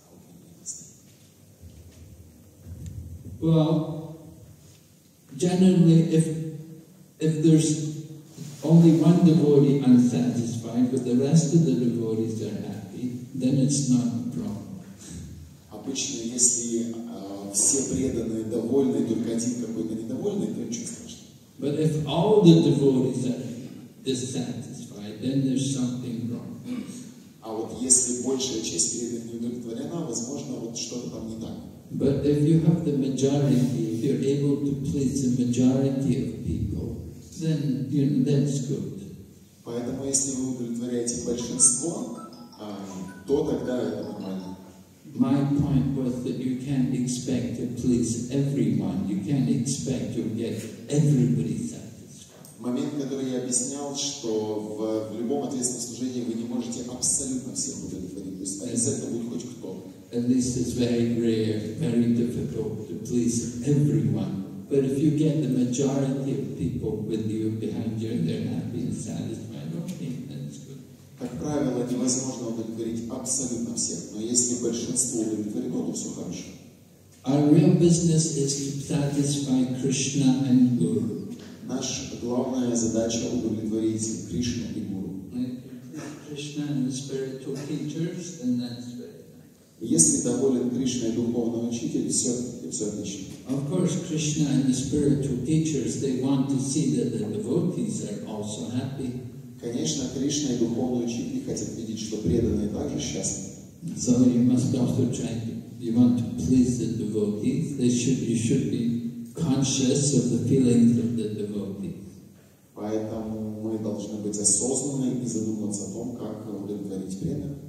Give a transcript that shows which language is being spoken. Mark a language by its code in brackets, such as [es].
[en] How can we understand? Well, generally, if there's only one devotee unsatisfied, but the rest of the devotees are happy, then it's not a problem. [ru] Обычно, если все преданные довольны, только один какой-то недовольный, то ничего страшного. [en] But if all the devotees are dissatisfied, then there's something wrong. [ru] А вот если большая часть преданных не удовлетворена, возможно, вот что-то там не так. [en] But if you have the majority, if you're able to please the majority of people, then, you know, that's good. [ru] Поэтому, если вы удовлетворяете большинство, то тогда это нормально. [en] My point was that you can't expect to please everyone. You can't expect to get everybody satisfied. [ru] Момент, который я объяснял, что в любом ответственном служении вы не можете абсолютно всех удовлетворить. То есть, а из этого будет хоть кто. [en] And this is very rare, very difficult to please everyone. But if you get the majority of people with you behind you and they're happy and satisfied, okay, that's good. [ru] Как правило, невозможно удовлетворить абсолютно всех, но если большинство удовлетворено, то все хорошо. [en] Our real business is to satisfy Krishna and Guru. [ru] Наша главная задача удовлетворить Кришну и Гуру. [en] Krishna and the spiritual teachers, then that's very nice. [ru] Если доволен Кришна и духовный учитель, все отлично. [en] Of course, Krishna and the spiritual teachers, they want to see that the devotees are also happy. [ru] Конечно, Кришна и духовные учители хотят видеть, что преданные также счастливы. [en] So you must also try to, you want to please the devotees. You should be conscious of the feelings of the devotees. [ru] Поэтому мы должны быть осознанны и задуматься о том, как удовлетворить преданных.